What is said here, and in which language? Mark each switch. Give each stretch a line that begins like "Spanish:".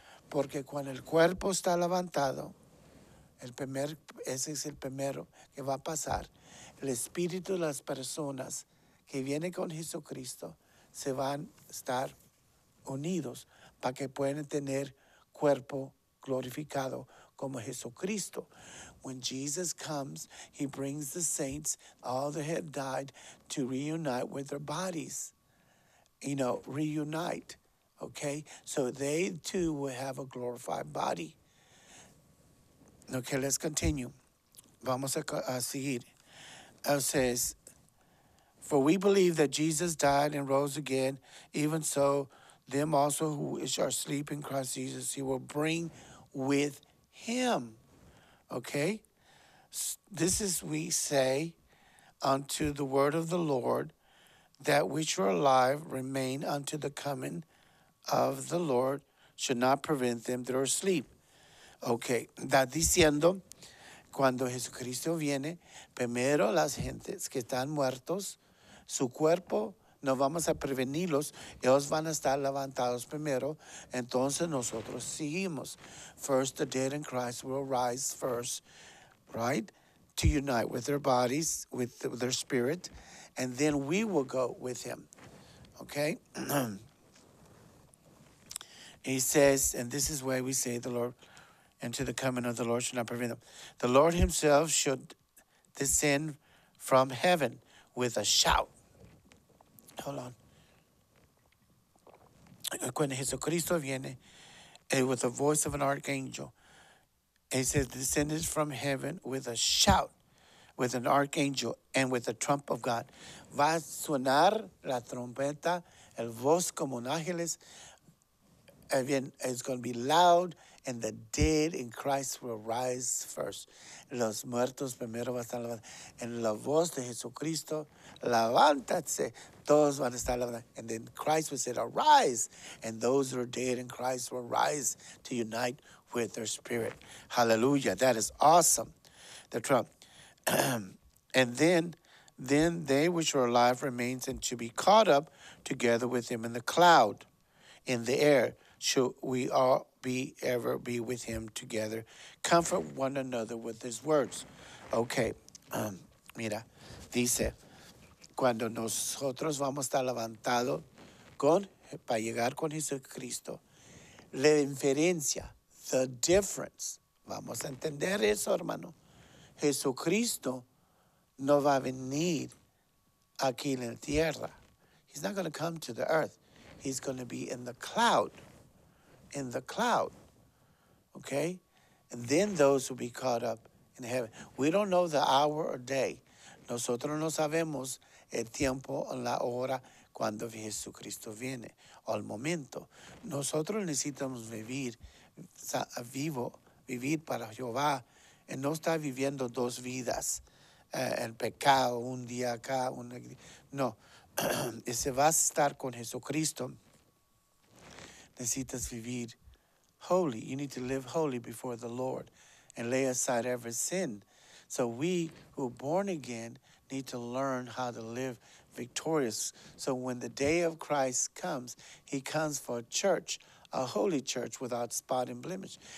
Spanish: Porque cuando el cuerpo está levantado, ese es el primero que va a pasar. El espíritu de las personas que vienen con Jesucristo se van a estar unidos para que puedan tener cuerpo glorificado como Jesucristo.
English: When Jesus comes, he brings the saints, all that have died, to reunite with their bodies. You know, reunite, okay? So they too will have a glorified body. Okay, let's continue.
Spanish: Vamos a seguir.
English: It says, for we believe that Jesus died and rose again, even so, them also who are asleep in Christ Jesus, he will bring with him. Okay? This is we say unto the word of the Lord, that which are alive remain unto the coming of the Lord should not prevent them that are asleep. Okay.
Spanish: Da diciendo, cuando Jesucristo viene, primero las gentes que están muertos, su cuerpo, no vamos a prevenirlos, ellos van a estar levantados primero, entonces nosotros seguimos.
English: First, the dead in Christ will rise first, right, to unite with their bodies, with their spirit, and then we will go with him, okay? He says, and this is why we say the Lord, unto the coming of the Lord should not prevent them. The Lord himself should descend from heaven with a shout. Hold on.
Spanish: Cuando Jesucristo viene,
English: with the voice of an archangel, he says, descended from heaven with a shout, with an archangel, and with the trump of God.
Spanish: Va a sonar la trompeta, el voz como un ángeles.
English: It's going to be loud, and the dead in Christ will rise first.
Spanish: Los muertos primero van a estar levantados. En la voz de Jesucristo, levántate. Todos van a estar levantados.
English: And then Christ will say, arise. And those who are dead in Christ will rise to unite with their spirit. Hallelujah. That is awesome. The trump. And then they which are alive remains and to be caught up together with him in the cloud, in the air, should we all be ever be with him together. Comfort one another with his words.
Spanish: Okay, mira, dice, cuando nosotros vamos a estar levantados con, para llegar con Jesucristo, la diferencia,
English: the difference,
Spanish: vamos a entender eso, hermano. Jesucristo no va a venir aquí en la tierra.
English: He's not going to come to the earth. He's going to be in the cloud. In the cloud. Okay? And then those will be caught up in heaven. We don't know the hour or day.
Spanish: Nosotros no sabemos el tiempo o la hora cuando Jesucristo viene. O el momento. Nosotros necesitamos vivir vivo, vivir para Jehová. Y no estar viviendo dos vidas. El pecado, un día acá, un día. No. Y si vas a estar con Jesucristo, necesitas vivir holy.
English: You need to live holy before the Lord and lay aside every sin. So we who are born again need to learn how to live victorious. So when the day of Christ comes, he comes for a church, a holy church without spot and blemish.